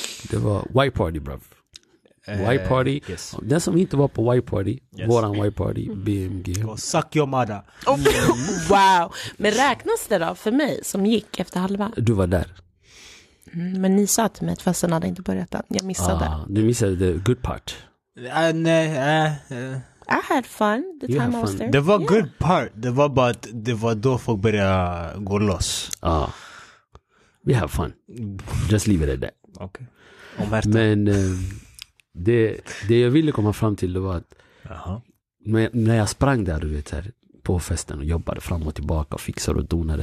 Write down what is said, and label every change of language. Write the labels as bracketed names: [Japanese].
[Swedish] Det var [English] white party, bruv. White party. Yes. [Swedish] Den som inte var på white party, våran white party, BMG. [English] Suck your mother. Oh, wow. [Swedish] Men räknas det då för mig som gick efter halva? Du var där. Mm, men ni sa till mig att festen hade inte börjat än. Jag missade. Du missade [English] the good part. I had fun the you time I was there. [Swedish] Det var good part. Det var bara att det var då folk började gå loss. [English] We have fun. Just leave it at that. Okay. Omerta. [Swedish] Men det jag ville komma fram till var att när jag sprang där, du vet, här, på festen och jobbade fram och tillbaka och fixade och donade.